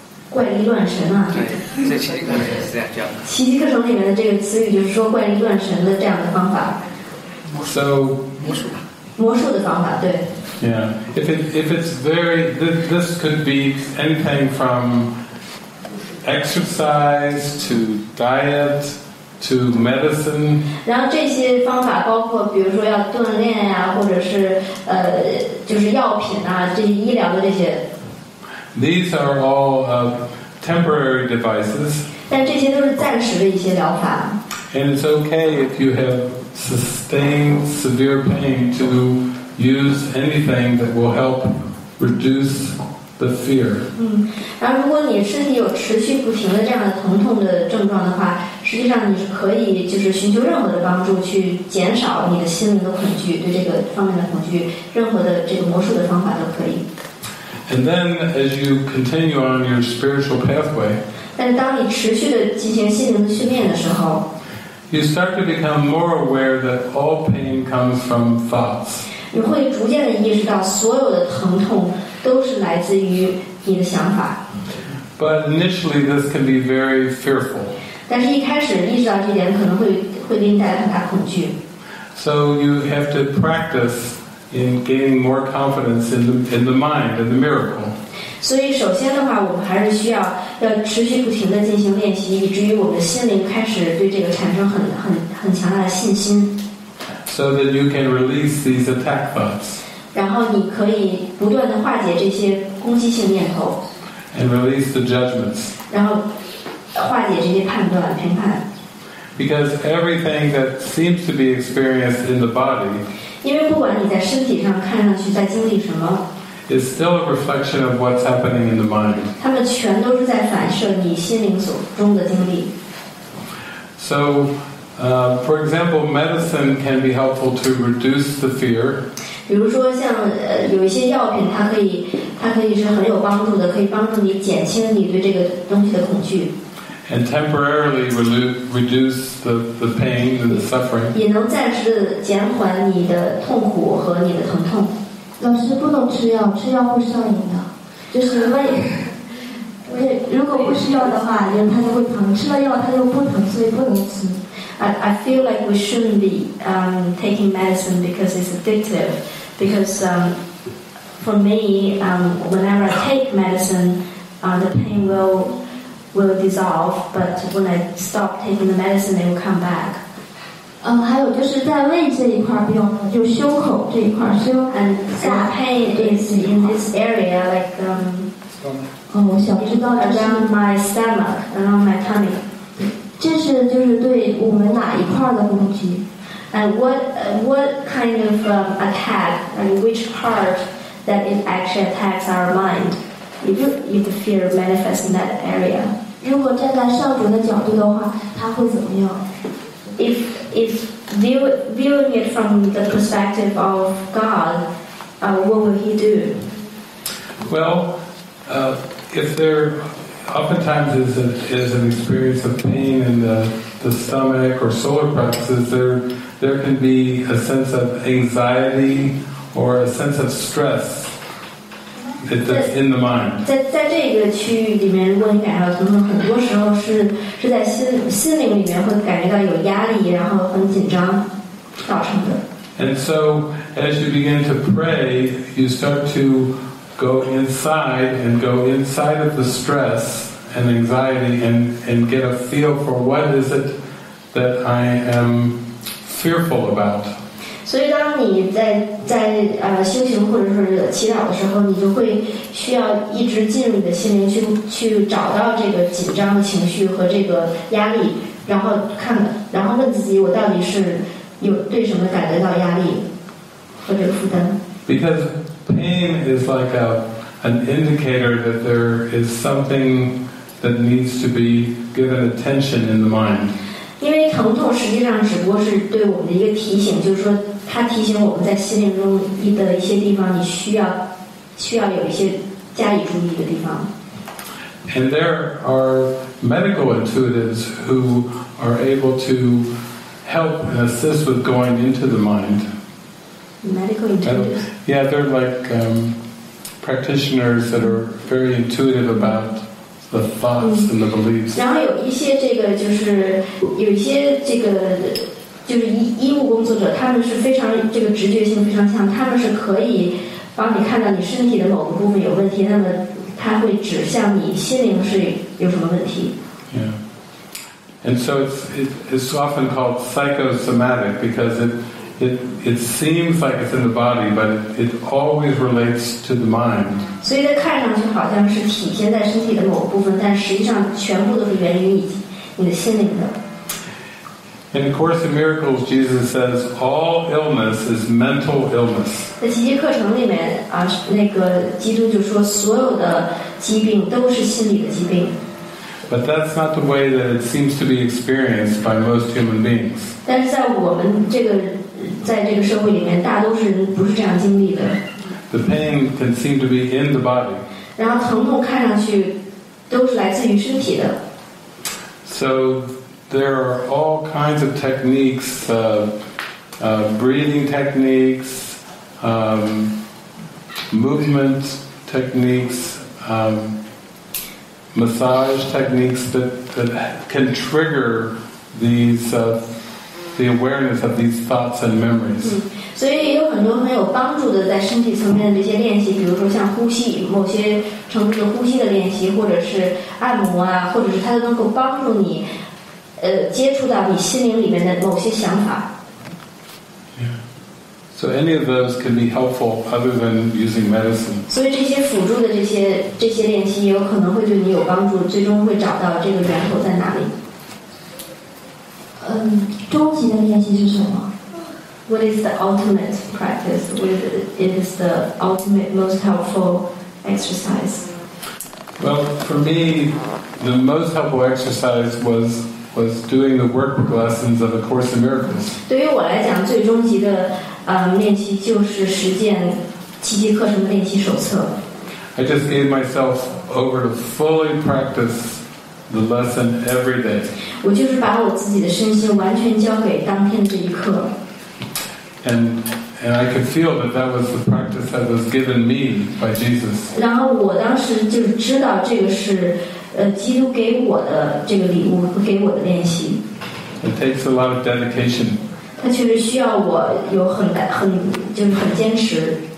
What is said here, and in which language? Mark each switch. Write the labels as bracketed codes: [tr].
[zh] 怪力乱神啊，对，在奇迹课程里面是这样讲的。奇迹课程里面的这个词语就是说怪力乱神的这样的方法。 [en] So, [zh] 魔术的方法，对。 [en] Yeah, if it's very, this could be anything from exercise to diet to medicine. [zh] 然后这些方法包括比如说要锻炼呀、啊、或者是就是药品啊，这些医疗的这些。 [en] These are all temporary devices. [zh] 但这些都是暂时的一些疗法。 [en] And it's okay if you have sustained severe pain to use anything that will help reduce the fear. [zh] 嗯，然后如果你身体有持续不停的这样的疼痛的症状的话，实际上你是可以就是寻求任何的帮助去减少你的心灵的恐惧，对这个方面的恐惧，任何的这个魔术的方法都可以。 [en] And then as you continue on your spiritual pathway, [zh] 但当你持续的进行心灵的训练的时候， [en] you start to become more aware that all pain comes from thoughts. [zh] 你会逐渐地意识到所有的疼痛都是来自于你的想法。 [en] But initially this can be very fearful. [zh] 但是一开始意识到这点可能会给你带来很大恐惧。 [en] So you have to practice in gaining more confidence in the mind, in the miracle. [zh] 所以首先的话我们还是需要要持续不停地进行练习，以至于我们的心灵开始对这个产生很强大的信心。 [en] So that you can release these attack thoughts. [zh] 然后你可以不断地化解这些攻击性念头。 [en] And release the judgments. [zh] 然后化解这些判断评判。 [en] Because everything that seems to be experienced in the body, [zh] 因为不管你在身体上看上去在经历什么， [en] is still a reflection of what's happening in the mind. [zh] 他们全都是在反射你心灵所中的经历。 [en] So, for example, medicine can be helpful to reduce the fear. [zh] 比如说像有一些药品它可以是很有帮助的，可以帮助你减轻你对这个东西的恐惧。 [en] And temporarily reduce the pain and the suffering. [zh] 也能暂时减缓你的痛苦和你的疼痛。老师不能吃药，吃药会上瘾的。就是胃，如果不吃药的话，人他就会疼；吃了药，他就不疼，所以不能吃。 [en] I feel like we shouldn't be taking medicine because it's addictive. Because for me, whenever I take medicine, the pain will dissolve. But when I stop taking the medicine, it will come back. [zh] 还有就是在胃这一块不用，就胸口这一块胸。 [en] And pain is in this area, like [zh] 我想知道 [en] around my stomach, around my tummy. [zh] 这是就是对我们哪一块的攻击 [en] ？And what kind of attack and which part that it actually attacks our mind? If the fear manifests in that area. [zh] 如果站在上主的角度的话，它会怎么样？ [en] If viewing it from the perspective of God, what will He do? Well, if there oftentimes is an experience of pain in the stomach or solar plexus, there can be a sense of anxiety or a sense of stress in the mind. [zh] 在这个区域里面，如果你感到疼痛，很多时候是在心灵里面会感觉到有压力，然后很紧张造成的。 [en] And so, as you begin to pray, you start to go inside and go inside of the stress and anxiety and get a feel for what is it that I am fearful about. [zh] 所以当你在修行或者是祈祷的时候，你就会需要一直进入你的心灵去找到这个紧张的情绪和这个压力，然后看然后问自己，我到底是有对什么感觉到压力和这个负担。 [en] Because pain is like an indicator that there is something that needs to be given attention in the mind. [zh] 因为疼痛实际上只不过是对我们的一个提醒，就是说它提醒我们在心灵中的一些地方，你需要有一些加以注意的地方。 [en] And there are medical intuitives who are able to help and assist with going into the mind. Medical intuitives? Yeah, they're like practitioners that are very intuitive aboutthe thoughts and the beliefs. [zh] 然后有一些这个就是有一些这个就是医务工作者，他们是非常这个直觉性非常强，他们是可以帮你看到你身体的某个部分有问题，那么他会指向你心灵是有什么问题。 [en] Yeah. And so it's often called psychosomatic because it seems like it's in the body, but it always relates to the mind. [zh] 所以它看上去好像是体现在身体的某部分，但实际上全部都是源于你的心灵的。 [en] In the Course in Miracles, Jesus says, all illness is mental illness. [zh] 在奇迹课程里面啊，那个基督就说，所有的疾病都是心理的疾病。 [en] But that's not the way that it seems to be experienced by most human beings. [zh] 但是在我们这个在这个社会里面，大多数人不是这样经历的。 [en] The pain can seem to be in the body. [zh] 然后疼痛看上去都是来自于身体的。 [en] So. There are all kinds of techniques, breathing techniques, movement techniques, massage techniques that can trigger the awareness of these thoughts and memories. [zh] 所以也有很多很有帮助的在身体层面的这些练习，比如说像呼吸，某些程度的呼吸的练习，或者是按摩啊，或者是它都能够帮助你。接触到你心灵里面的某些想法。 [en] So any of those can be helpful other than using medicine. [zh] 所以这些辅助的这些练习也有可能会对你有帮助，最终会找到这个源头在哪里。终极的练习是什么？ [en] What is the ultimate practice? It is the ultimate most helpful exercise. Well, for me, the most helpful exercise was doing the workbook lessons of A Course in Miracles. [zh] 对于我来讲，最终级的练习就是实践奇迹课程的练习手册。 [en] I just gave myself over to fully practice the lesson every day. [zh] 我就是把我自己的身心完全交给当天这一课。 [en] And I could feel that was the practice that was given me by Jesus. [zh] 然后我当时就知道这个是。基督给我的这个礼物和给我的练习。 [en] It takes a lot of dedication. [zh] 它确实需要我有很就是很坚持。